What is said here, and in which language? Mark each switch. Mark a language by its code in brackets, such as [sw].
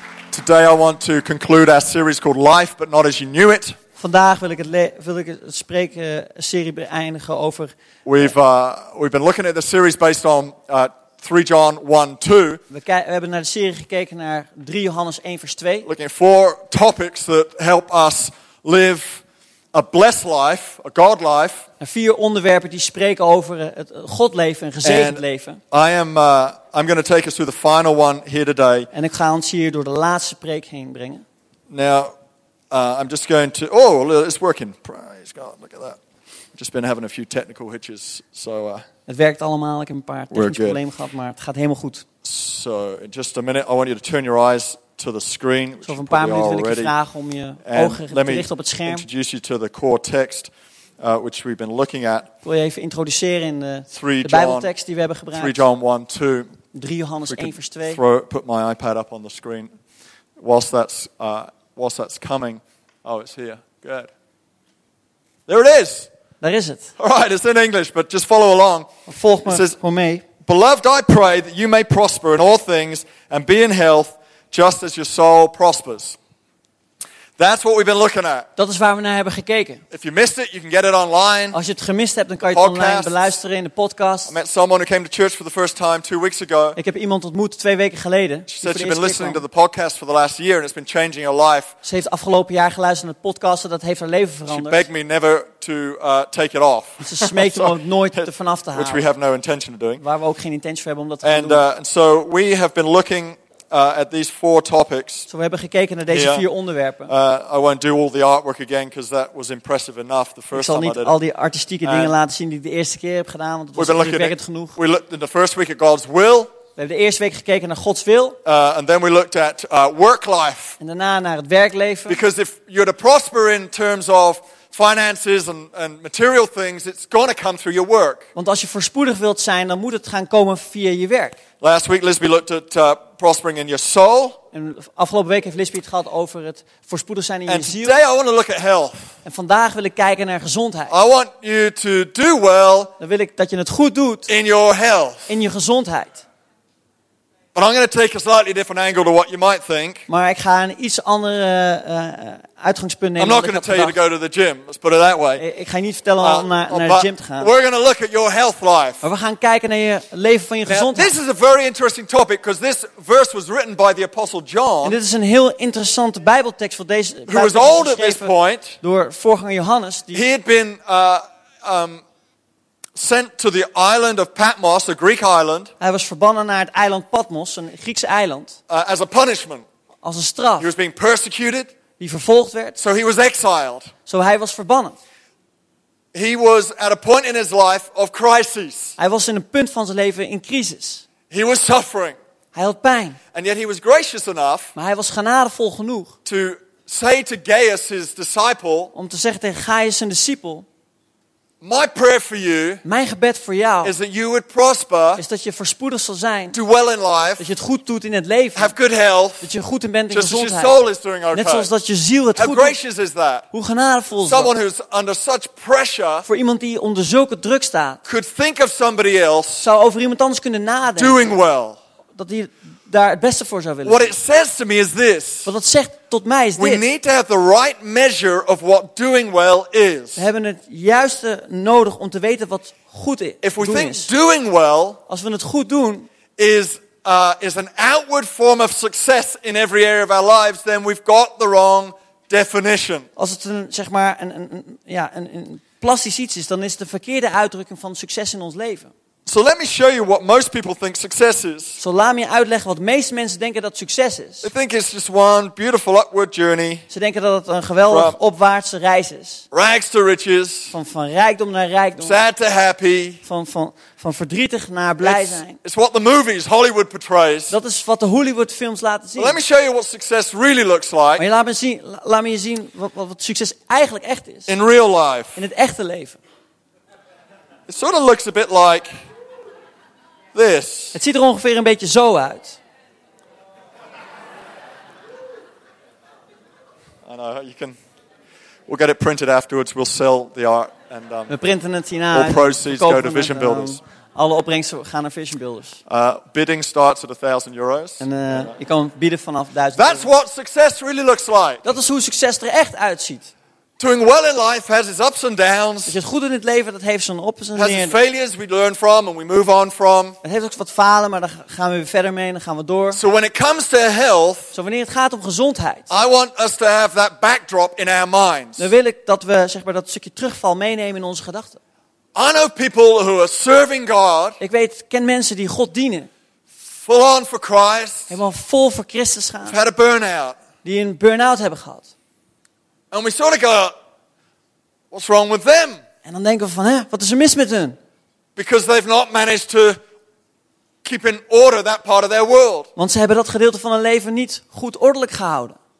[en] today I want to conclude our series called Life, but not as you knew it. [nl] Vandaag wil ik het spreken serie beëindigen over. [en] We've been looking at the series based on 3 John 1, 2. [nl] We hebben naar de serie gekeken naar 3 Johannes 1, vers 2. [en] Looking at 4 topics that help us live a blessed life, a God life. [nl] En 4 onderwerpen die spreken over het God leven, een gezegend leven. [en] I'm going to take us through the final one here today. [nl] En ik ga ons hier door de laatste preek heen brengen. [en] Now, I'm just going to. Oh, it's working. Praise God. Look at that. Just been having a few technical hitches. So, [nl] het werkt allemaal. Ik heb een paar technische problemen gehad, maar het gaat helemaal goed. [en] So, in just a minute, I want you to turn your eyes to the screen. [nl] Zo, over een paar minuten wil ik je vragen om je ogen te richten op het scherm. [en] Let me introduce you to the core text, which we've been looking at. [nl] Ik wil je even introduceren in de Bijbeltekst die we hebben gebruikt. [en] 3 John 1, 2. [nl] 3 Johannes 1, vers 2. [en] Put my iPad up on the screen. Whilst that's coming. Oh, it's here. Good. There it is. There is it. All right, it's in English, but just follow along. [nl] Volg me. [en] It says, Beloved, I pray that you may prosper in all things and be in health just as your soul prospers. That's what we've been looking at. [nl] Dat is waar we naar hebben gekeken. [en] If you missed it, you can get it online. [nl] Als je het gemist hebt, dan kan je het online beluisteren in de podcast. [en] I met someone who came to church for the first time 2 weeks ago. [nl] Ik heb iemand ontmoet 2 weken geleden. [en] She said she's been listening to the podcast for the last year and it's been changing her life. [nl] Ze heeft afgelopen jaar geluisterd naar de podcast en dat heeft haar leven veranderd. [en] She begged me never to take it off. [nl] Ze smeekt om het nooit ervan af te halen. [en] Which we have no intention of doing. [nl] Waar we ook geen intentie voor hebben om dat te doen. [en] And so we have been looking at these 4 topics. [nl] Zo, we hebben gekeken naar deze 4 onderwerpen. [en] I won't do all the artwork again because that was impressive enough the first time I did it. [nl] Ik zal niet al die artistieke dingen laten zien die ik de eerste keer heb gedaan, want het was indrukwekkend genoeg. [en] We looked in the first week at God's will. [nl] We hebben de eerste week gekeken naar Gods wil. [en] And then we looked at work life. [nl] En daarna naar het werkleven. [en] Because if you're to prosper in terms of finances and material things, it's going to come through your work. [nl] Want als je voorspoedig wilt zijn, dan moet het gaan komen via je werk. [en] Last week, Lisby looked at prospering in your soul. [nl] En afgelopen week heeft Lisby het gehad over het voorspoedig zijn in [en] and [nl] je ziel. [en] Today, I want to look at health. [nl] En vandaag wil ik kijken naar gezondheid. [en] I want you to do well. [nl] Dan wil ik dat je het goed doet. [en] In your health. [nl] In je gezondheid. [en] But I'm going to take a slightly different angle to what you might think. [nl] Maar ik ga een iets andere uitgangspunt nemen. [en] I'm not going to tell you to go to the gym. Let's put it that way. [nl] Ik ga je niet vertellen om naar de gym te gaan. [en] We're going to look at your health life. [nl] Maar we gaan kijken naar je leven van je gezondheid. [en] This is a very interesting topic because this verse was written by the apostle John. [nl] En dit is een heel interessante Bijbeltekst voor deze. [en] Who was old at this point? [nl] Door voorganger Johannes. [en] He had been sent to the island of Patmos, a Greek island. [nl] Hij was verbannen naar het eiland Patmos, een Griekse eiland. [en] As a punishment. [nl] Als een straf. [en] He was being persecuted. [nl] Die vervolgd werd. [en] So he was exiled. [nl] Zo, hij was verbannen. [en] He was at a point in his life of crisis. [nl] Hij was in een punt van zijn leven in crisis. [en] He was suffering. [nl] Hij had pijn. [en] And yet he was gracious enough. [nl] Maar hij was genadevol genoeg. [en] To say to Gaius, his disciple. [nl] Om te zeggen tegen Gaius, zijn discipel. [en] My prayer for you, [nl] mijn gebed voor jou [en] is that you would prosper, [nl] is dat je voorspoedig zal zijn, [en] do well in life, [nl] dat je het goed doet in het leven, [en] have good health, [nl] dat je goed in bent in [en] just [nl] gezondheid, [en] as your soul is doing okay. [nl] Net zoals dat je ziel het [en] how [nl] goed [en] gracious [nl] doet. [en] Is that? [nl] Hoe genadevol is [en] someone [nl] dat? [en] Who's under such pressure, [nl] voor iemand die onder zulke druk staat, [en] could think of somebody else, [nl] zou over iemand anders kunnen nadenken, [en] doing well. [nl] Dat hij daar het beste voor zou willen. [en] What it says to me is this. [nl] Wat het zegt tot mij is [en] we [nl] dit. [en] We need to have the right measure of what doing well is. [nl] We hebben het juiste nodig om te weten wat goed is. [en] If we think doing well, [nl] als we het goed doen, [en] is an outward form of success in every area of our lives, then we've got the wrong definition. [nl] Als het een zeg maar een plastisch iets is, dan is het de verkeerde uitdrukking van succes in ons leven. [en] So let me show you what most people think success is. [nl] Zo, laat me uitleggen wat de meeste mensen denken dat succes is. [en] They think it's just one beautiful upward journey. [nl] Ze denken dat het een geweldige opwaartse reis is. [en] Rags to riches. [nl] Van rijkdom naar rijkdom. [en] Sad to happy. [nl] Van verdrietig naar blij zijn. [en] It's what the movies Hollywood portrays. [nl] Dat is wat de Hollywood films laten zien. [en] But let me show you what success really looks like. [nl] Maar laat me je zien wat succes eigenlijk echt is. [en] In real life. [nl] In het echte leven. [en] It sort of looks a bit like this. [nl] Het ziet er ongeveer een beetje zo uit. [en] I know you can. We'll get it printed afterwards. We'll sell the art and [nl] we printen het hierna. [en] All proceeds go to Vision Builders. [nl] Alle opbrengsten gaan naar Vision Builders. [en] Bidding starts at 1000 euros. [nl] En je kan bieden vanaf 1000 euro. [en] That's what success really looks like. [nl] Dat is hoe succes er echt uitziet. [en] Doing well in life has its ups and downs. [nl] Dat je het goed in het leven, dat heeft zijn ups en neer. [en] Has its failures we learn from and we move on from. [nl] Het heeft ook wat falen, maar daar gaan we weer verder mee en dan gaan we door. [en] So when it comes to health, [nl] zo wanneer het gaat om gezondheid. [en] I want us to have that backdrop in our minds. [nl] Dan wil ik dat we zeg maar dat stukje terugval meenemen in onze gedachten. [en] I know people who are serving God. [nl] Ik weet, ken mensen die God dienen. [en] Full on for Christ. [nl] Helemaal vol voor Christus gaan. [en] Had a burnout. [nl] Die een burn-out hebben gehad. [en] And we sort of go, what's wrong with them? [nl] En dan denken we van, hè, wat is er mis met hun? [en] Because they've not managed to keep in order that part of their world. [nl] Want ze hebben dat gedeelte van hun leven niet goed ordelijk gehouden.